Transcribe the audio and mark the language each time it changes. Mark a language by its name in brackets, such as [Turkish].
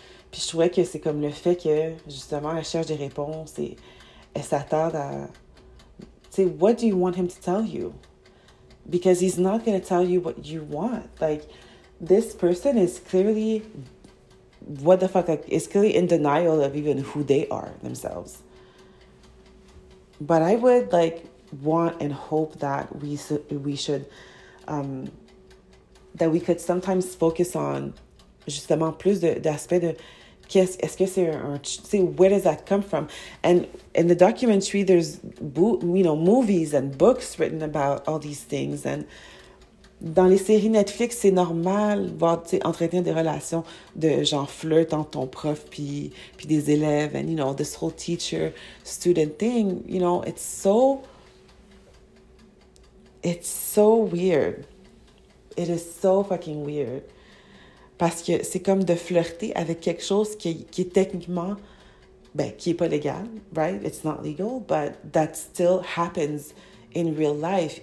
[French] Puis je trouvais que c'est comme le fait que, justement, elle cherche des réponses et elle s'attarde à... Tu sais, [English] what do you want him to tell you? Because he's not going to tell you what you want. Like, this person is clearly... What the fuck? Like, is clearly in denial of even who they are themselves. But I would, like... want and hope that we could sometimes focus on [French] justement plus d'aspects de qu'est-ce, est-ce que c'est un, tu sais, [English] where does that come from? And in the documentary, there's, you know, movies and books written about all these things, and [French] Dans les séries Netflix, c'est normal voir, tu sais, entretenir des relations de genre flirt entre ton prof puis des élèves, [English] and this whole teacher student thing, it's so weird. It is so fucking weird. [French] Parce que c'est comme de flirter avec quelque chose qui est techniquement, ben, qui est pas légal, right? [English] It's not legal, but that still happens in real life.